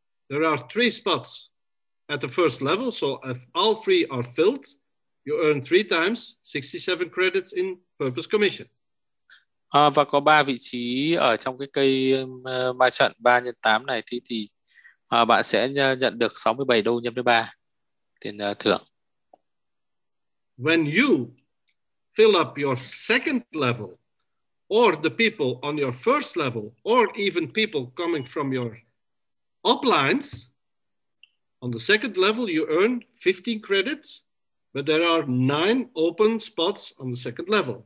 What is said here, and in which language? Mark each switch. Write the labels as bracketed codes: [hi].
[en] There are three spots at the first level, so if all three are filled, you earn three times 67 credits in purpose commission. [vi] Và có 3 vị trí ở trong cái cây ma trận 3 x 8 này thì bạn sẽ nhận được 67 đô nhân với 3 tiền thưởng. [en] When you fill up your second level or the people on your first level or even people coming from your uplines on the second level you earn 15 credits. But there are 9 open spots on the second level.